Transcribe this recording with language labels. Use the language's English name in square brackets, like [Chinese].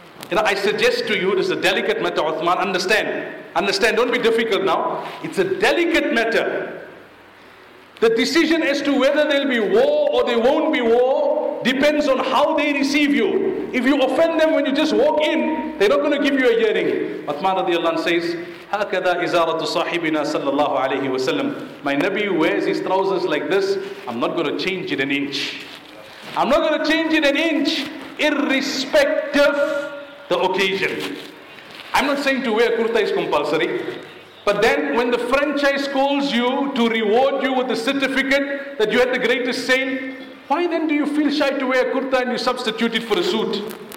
[English] You know, I suggest to you, this is a delicate matter, Uthman. Understand, don't be difficult now. It's a delicate matter. The decision as to whether there'll be war or there won't be war depends on how they receive you. If you offend them when you just walk in, they're not going to give you a hearing. Uthman radiallahu anhu says, [Arabic] هكذا إزارة صاحبنا صلى الله عليه وسلم. [English] My Nabi wears his trousers like this. I'm not going to change it an inch. I'm not going to change it an inch, irrespective of the occasion. I'm not saying to wear kurta is compulsory. But then when the franchise calls you to reward you with a certificate that you had the greatest sale, why then do you feel shy to wear a kurta and you substitute it for a suit?